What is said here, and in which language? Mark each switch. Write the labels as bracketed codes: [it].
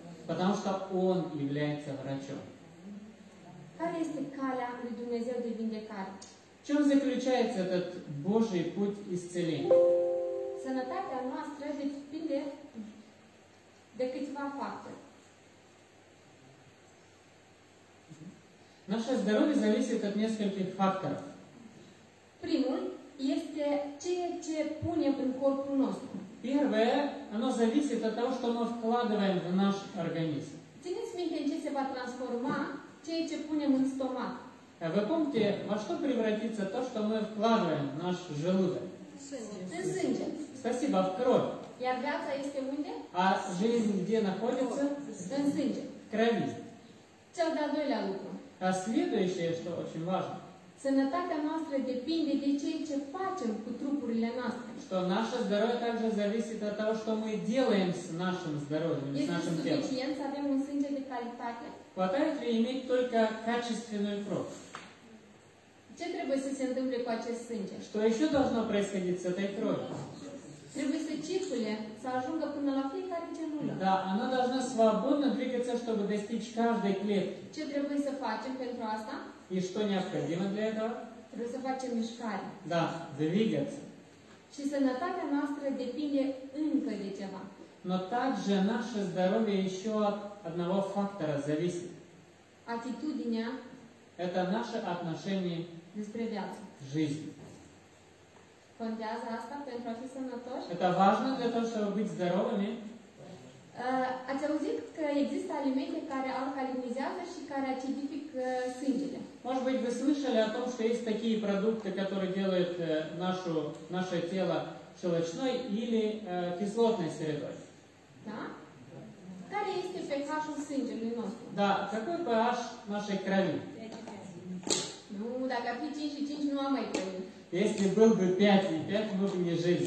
[ru] Потому что Он является врачом. [ro] Care este calea lui Dumnezeu de vindecare? [ru] В чем заключается этот Божий путь исцеления? [ro] Sănătatea noastră depinde de câțiva factori. [ru] Наше здоровье зависит от нескольких факторов. [ro] Primul este ceea ce punem în corpul nostru. [ru] Первое, оно зависит от того, что мы вкладываем в наш организм. [ro] Țineți minte ce se va transforma ceea ce punem în stomac. [ru] Вы помните, во что превратится то, что мы вкладываем в наш желудок? Сынче. Спасибо, в кровь. [ro] Iar viața este unde? [ru] А жизнь где находится? Сынче. В крови. [ro] Cel de-al doilea lucru. [ru] А следующее, что очень важно. [ro] Sănătatea noastră depinde de ceea ce facem cu trupurile noastre. [ru] Что наше здоровье также зависит от того, что мы делаем с нашим здоровьем, с нашим телом. [ro] Este suficient să avem un sânge de calitate? [ru] Хватает ли иметь только качественную кровь? [ro] Ce trebuie să se întâmple cu acest sânge? [ru] Что еще должно происходить с этой кровью? [ro] Trebuie să circule, să ajungă până la fiecare celulă. [ru] Да, она должна свободно двигаться, чтобы достичь каждой клетки. [ro] Ce trebuie să facem pentru asta? [ru] И что необходимо для этого? [ro] Trebuie să facem mișcare. [ru] Да, двигаться. [ro] Și sănătatea noastră depinde încă de ceva. [ru] Но также наше здоровье еще от одного фактора зависит. [ro] Attitudinea. [ru] Это наше отношение. [ro] Despre viață. [ru] Жизнь. [ro] Contează asta pentru a fi sănătoși? [ru] Это важно для того, чтобы быть здоровыми. [ro] Ați auzit că există alimente care alcalinizează și care acidific sângele? [ru] Может быть, вы слышали о том, что есть такие продукты, которые делают наше тело щелочной или кислотной средой? Да? [ro] Care este pH-ul sângelui nostru? [ru] Да, какой pH нашей крови? [ro] Ну, dacă ar fi 5 și 5, nu am mai [ru] крови. Если был бы 5 и 5, мы бы не жили.